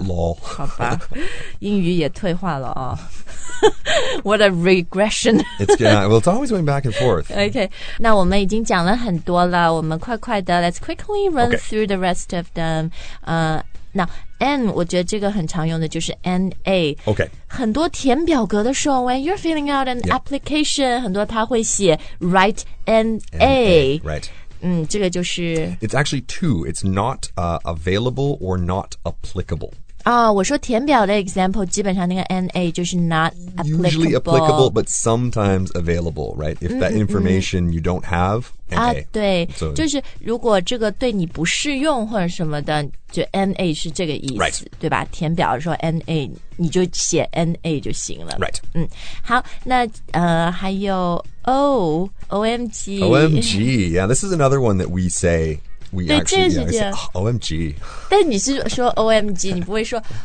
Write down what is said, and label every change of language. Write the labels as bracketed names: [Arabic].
[English] yeah, LOL. [Chinese] 好吧。英语也退化了哦。 [English] What a regression. It's, yeah, well, it's always going back and forth. Okay. [Chinese] 那我们已经讲了很多了。我们快快的 [English] let's quickly run、 okay. through the rest of them. Now, [Chinese] N， 我觉得这个很常用的就是 NA。 [English] OK， [Chinese] 很多填表格的时候 ， [English] when you're filling out an application，、 yeah. [Chinese] 很多他会写 write NA。 [English] Right。 [Chinese] 嗯，这个就是。 [English] It's actually two. It's not、available or not applicable. [Chinese] 啊、oh, ，我说填表的 example， 基本上那个 NA 就是 not applicable. [English] Usually applicable, but sometimes available, right? If that information you don't have. [Chinese] 啊，对、so. 就是如果这个对你不适用或者什么的就 NA 是这个意思、 [English] right. [Chinese] 对吧填表的时候 NA 你就写 NA 就行了 [English] Right、 [Chinese] 好那还有 O OMG [English] OMG Yeah this is another one that we say We [Chinese] 对 [English] actually [Chinese] 这是这样 [English] yeah, say,、OMG [Chinese] 但你是说 OMG 你不会说